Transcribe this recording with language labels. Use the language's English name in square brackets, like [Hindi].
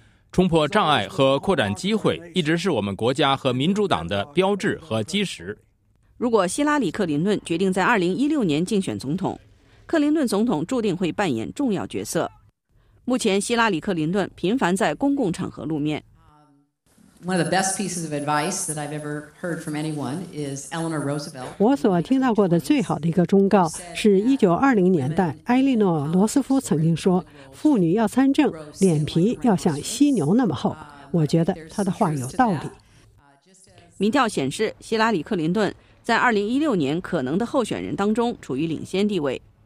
[Chinese] 冲破障碍和扩展机会一直是我们国家和民主党的标志和基石。如果希拉里·克林顿决定在2016年竞选总统，克林顿总统注定会扮演重要角色。目前，希拉里·克林顿频繁在公共场合露面。 [English] One of the best pieces of advice that I've ever heard from anyone is Eleanor Roosevelt。 [Chinese] 我所听到过的最好的一个忠告是1920年代，埃莉诺·罗斯福曾经说：“妇女要参政，脸皮要像犀牛那么厚。” 我觉得他的话有道理。民调显示，希拉里·克林顿在2016年可能的候选人当中处于领先地位。